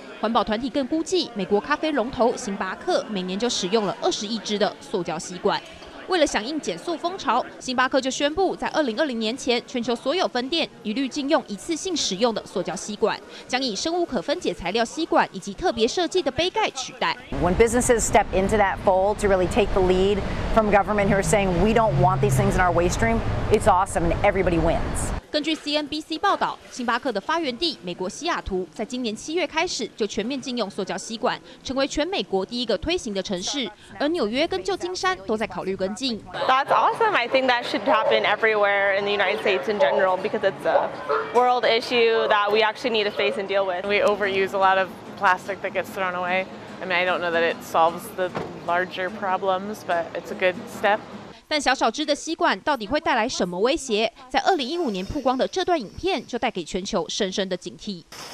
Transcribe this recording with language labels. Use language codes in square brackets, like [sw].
[zh] 环保团体更估计，美国咖啡龙头星巴克每年就使用了20亿只的塑胶吸管。为了响应减塑风潮，星巴克就宣布在2020年前，全球所有分店一律禁用一次性使用的塑胶吸管，将以生物可分解材料吸管以及特别设计的杯盖取代。 [en] When businesses step into that fold to really take the lead from government who are saying we don't want these things in our waste stream, it's awesome and everybody wins. [zh] 根据 CNBC 报道，星巴克的发源地美国西雅图在今年7月开始就全面禁用塑胶吸管，成为全美国第一个推行的城市，而纽约跟旧金山都在考虑跟进。 [en] That's awesome. I think that should happen everywhere in the United States in general because it's a world issue that we actually need to face and deal with. We overuse a lot of plastic that gets thrown away. I mean, I don't know that it solves the larger problems, but it's a good step. [zh] 但小小只的吸管到底会带来什么威胁？在2015年曝光的这段影片就带给全球深深的警惕。